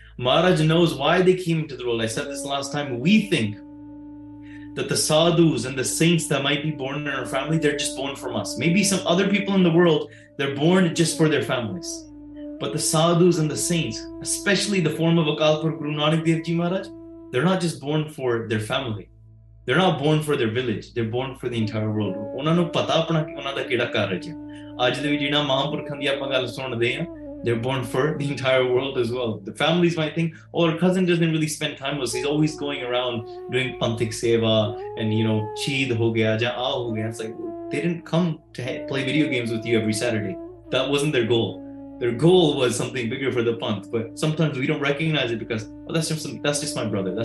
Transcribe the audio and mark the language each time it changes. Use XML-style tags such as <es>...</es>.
<en>Maharaj knows why they came to the world. I said this last time we think that the sadhus and the saints that might be born in our family they're just born from us. Maybe some other people in the world they're born just for their families. But the sadhus and the saints, especially the form of Akal Purakh Guru Nanak Dev Ji Maharaj, they're not just born for their family. They're not born for their village. They're born for the entire world.</en> <pa>ਉਹਨਾਂ ਨੂੰ ਪਤਾ ਆਪਣਾ ਕਿ ਉਹਨਾਂ ਦਾ ਕਿਹੜਾ ਕਾਰਜ ਹੈ। ਅੱਜ ਦੇ ਵੀ ਜਿਹਨਾਂ ਮਹਾਂਪੁਰਖਾਂ ਦੀ ਆਪਾਂ ਗੱਲ ਸੁਣਦੇ ਹਾਂ,</pa> <en>they're born for the entire world as well. The families might think, oh, our cousin doesn't really spend time with us. He's always going around doing panthik seva and, you know,</en> <pa>cheed ho gaya, ja a ho gaya.</pa> <en>It's like, they didn't come to play video games with you every Saturday. That wasn't their goal. Their goal was something bigger for the panth. But sometimes we don't recognize it because, oh, that's just my brother.</en>